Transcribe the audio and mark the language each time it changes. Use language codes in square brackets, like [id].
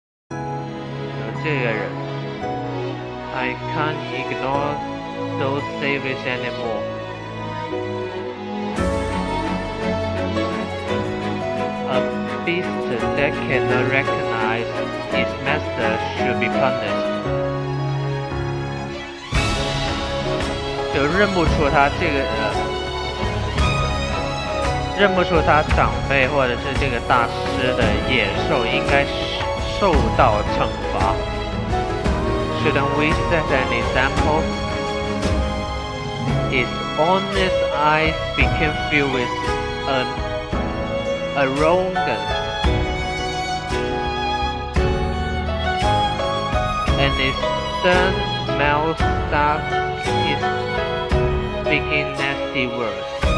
[zh] 有这个人 [en] I can't ignore those savages anymore. A beast that cannot recognize its master should be punished. [zh] 就认不出他这个，认不出他长辈或者是这个大师的野兽应该受到惩罚。 [en] Shouldn't we set an example? His honest eyes became filled with an arrogance. And his stern mouth started speaking nasty words.